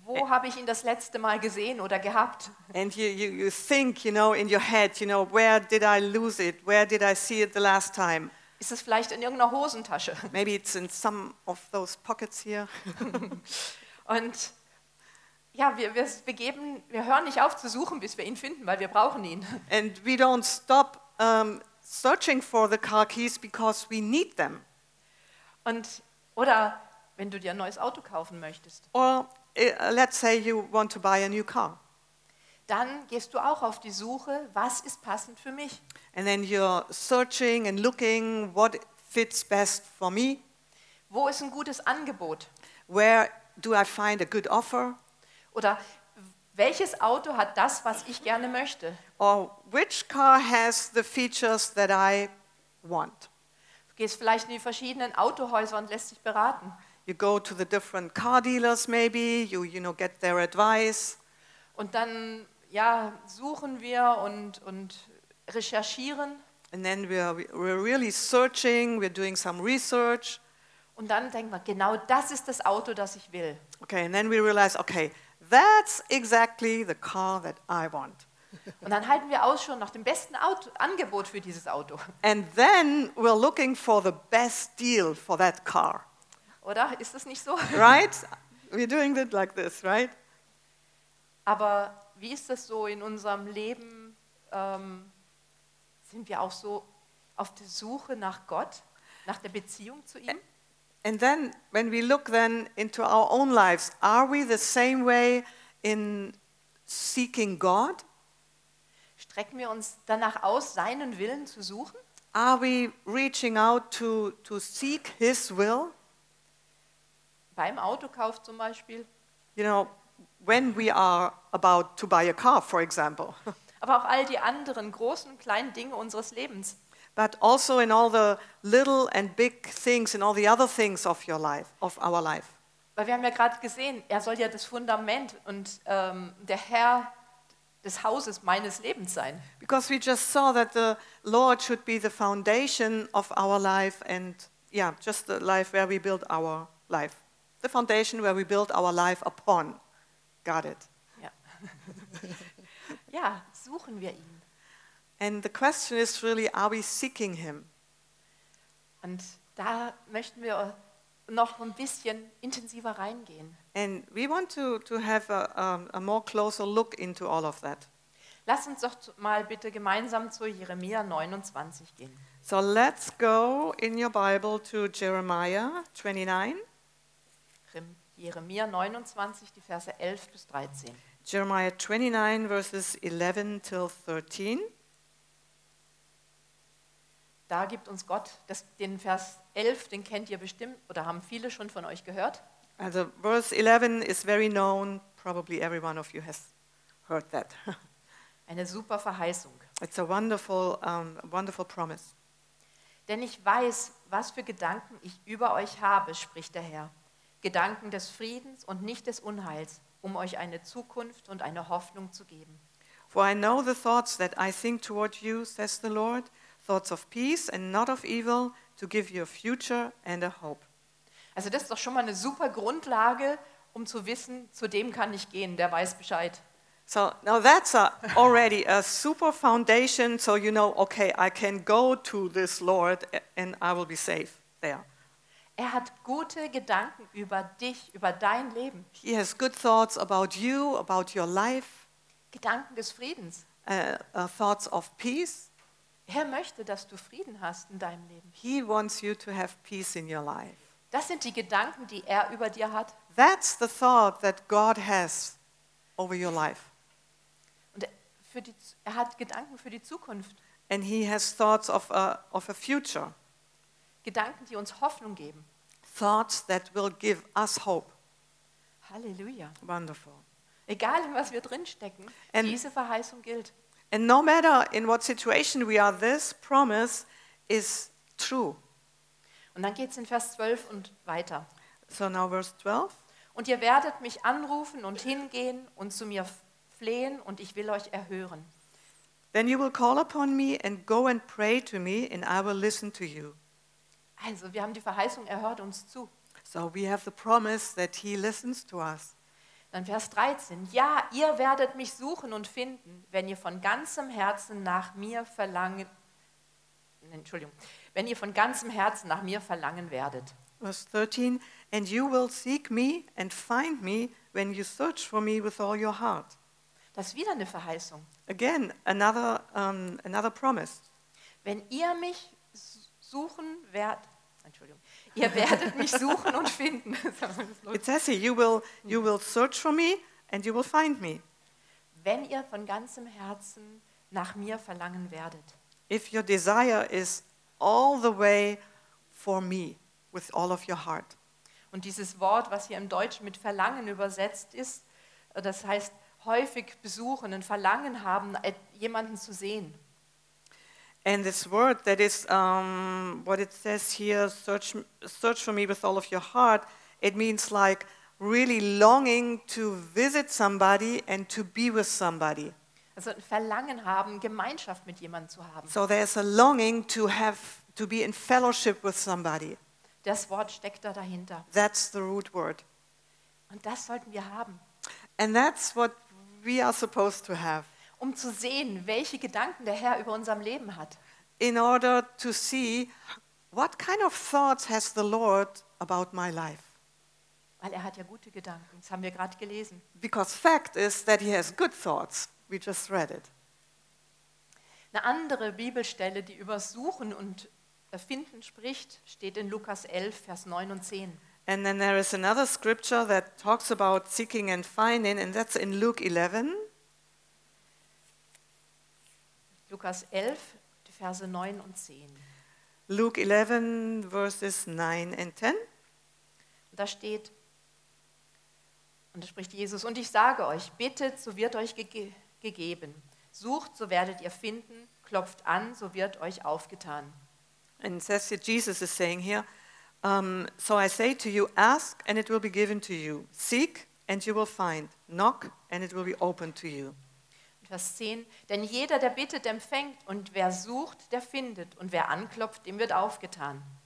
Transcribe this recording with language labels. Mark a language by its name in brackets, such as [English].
[German] Wo habe ich ihn das letzte Mal gesehen oder gehabt? [English] And you think, you know, in your head, you know, where did I lose it? Where did I see it the last time? [German] Ist es vielleicht in irgendeiner Hosentasche? [English] Maybe it's in some of those pockets here. [German] Und ja, wir hören nicht auf zu suchen, bis wir ihn finden, weil wir brauchen ihn. [English] And we don't stop searching for the car keys because we need them. [German] Und oder wenn du dir ein neues Auto kaufen möchtest. [English] Or let's say you want to buy a new car. [German] Dann gehst du auch auf die Suche, was ist passend für mich? [English] And then you're searching and looking what fits best for me. [German] Wo ist ein gutes Angebot? [English] Where do I find a good offer? [German] Oder welches Auto hat das, was ich gerne möchte? [English] Or which car has the features that I want? [German] Du gehst vielleicht in die verschiedenen Autohäuser und lässt dich beraten. [English] You go to the different car dealers maybe, you know, get their advice. [German] Und dann, ja, suchen wir und recherchieren. [English] And then we're really searching, we're doing some research. [German] Und dann denken wir, genau das ist das Auto, das ich will. [English] Okay, and then we realize, okay, that's exactly the car that I want. [German] Und dann halten wir Ausschau nach dem besten Angebot für dieses Auto. [English] And then we're looking for the best deal for that car. [German] Oder ist das nicht so? [English] Right? We're doing it like this, right? [German] Aber wie ist das so in unserem Leben? Sind wir auch so auf der Suche nach Gott, nach der Beziehung zu ihm? [English] And then, when we look then into our own lives, are we the same way in seeking God? [German] Strecken wir uns danach aus, seinen Willen zu suchen? [English] Are we reaching out to seek his will? [German] Beim Autokauf zum Beispiel. [English] You know, when we are about to buy a car, for example. [German] Aber auch all die anderen großen, kleinen Dinge unseres Lebens. [English] But also in all the little and big things, in all the other things of your life, of our life. [German] Weil wir haben ja gerade gesehen, er soll ja das Fundament und der Herr des Hauses meines Lebens sein. [English] Because we just saw that the Lord should be the foundation of our life and yeah, just the life where we build our life. The foundation where we build our life upon. Got it. [German] Ja, ja, suchen wir ihn. [English] And the question is really, are we seeking him? [German] Und da möchten wir noch ein bisschen intensiver reingehen. [English] And we want to have a more closer look into all of that. [German] Lass uns doch mal bitte gemeinsam zu Jeremia 29 gehen. [English] So let's go in your Bible to Jeremiah 29. [German] Jeremia 29, die Verse 11 bis 13. [English] Jeremiah 29, verses 11 till 13. [German] Da gibt uns Gott den Vers 11, den kennt ihr bestimmt oder haben viele schon von euch gehört. [English] Also verse 11 is very known, probably every one of you has heard that. [German] Eine super Verheißung. [English] It's a wonderful, wonderful promise. [German] Denn ich weiß, was für Gedanken ich über euch habe, spricht der Herr. Gedanken des Friedens und nicht des Unheils, um euch eine Zukunft und eine Hoffnung zu geben. [English] For I know the thoughts that I think toward you, says the Lord. Thoughts of peace and not of evil, to give you a future and a hope. [German] Also das ist doch schon mal eine super Grundlage, um zu wissen, zu dem kann ich gehen, der weiß Bescheid. [English] So now that's already a super foundation, so you know, okay, I can go to this Lord and I will be safe there. [German] Er hat gute Gedanken über dich, über dein Leben. [English] He has good thoughts about you, about your life. [German] Gedanken des Friedens. [English] Thoughts of peace. [German] Er möchte, dass du Frieden hast in deinem Leben. [English] He wants you to have peace in your life. [German] Das sind die Gedanken, die er über dir hat. [English] That's the thought that God has over your life. [German] Und er hat Gedanken für die Zukunft. [English] And he has thoughts of a future. [German] Gedanken, die uns Hoffnung geben. [English] Thoughts that will give us hope. [German] Halleluja. [English] Wonderful. [German] Egal, in was wir drinstecken, and diese Verheißung gilt. [English] And no matter in what situation we are, this promise is true. [German] Und dann geht's in Vers 12 und weiter. [English] So now verse 12. [German] Und ihr werdet mich anrufen und hingehen und zu mir flehen und ich will euch erhören. [English] Then you will call upon me and go and pray to me and I will listen to you. [German] Also, wir haben die Verheißung, er hört uns zu. [English] So we have the promise that he listens to us. [German] Dann Vers 13. Ja, ihr werdet mich suchen und finden, wenn ihr von ganzem Herzen nach mir verlangen. Entschuldigung. Wenn ihr von ganzem Herzen nach mir verlangen werdet. [English] Verse 13. And you will seek me and find me when you search for me with all your heart. [German] Das ist wieder eine Verheißung. [English] Again, another promise. [German] Wenn ihr mich suchen werdet. Entschuldigung. Ihr werdet mich suchen und finden. [English] It says here, you will search for me and you will find me. [German] Wenn ihr von ganzem Herzen nach mir verlangen werdet. [English] If your desire is all the way for me, with all of your heart. [German] Und dieses Wort, was hier im Deutschen mit Verlangen übersetzt ist, das heißt häufig besuchen, ein Verlangen haben, jemanden zu sehen. [English] And this word that is what it says here, search for me with all of your heart, it means like really longing to visit somebody and to be with somebody. [German] Also ein Verlangen haben, Gemeinschaft mit jemandem zu haben. [English] So there's a longing to have to be in fellowship with somebody. [German] Das Wort steckt da dahinter. [English] That's the root word. [German] Und das sollten wir haben. [English] And that's what we are supposed to have. [German] Um zu sehen, welche Gedanken der Herr über unserem Leben hat. [English] In order to see what kind of thoughts has the Lord about my life. [German] Weil er hat ja gute Gedanken, das haben wir gerade gelesen. [English] Because fact is that he has good thoughts. We just read it. [German] Eine andere Bibelstelle, die über Suchen und Finden spricht, steht in Lukas 11, Vers 9 und 10. [English] And then there is another scripture that talks about seeking and finding, and that's in Luke 11. [German] Lukas 11, die Verse 9 und 10. [English] Luke 11, Verses 9 and 10. [German] Und da steht, und da spricht Jesus, und ich sage euch, bittet, so wird euch gegeben. Sucht, so werdet ihr finden. Klopft an, so wird euch aufgetan. [English] And it says here, Jesus is saying here, so I say to you, ask and it will be given to you. Seek and you will find. Knock and it will be opened to you. [German] Vers 10, denn jeder, der bittet, empfängt und wer sucht, der findet und wer anklopft, dem wird aufgetan.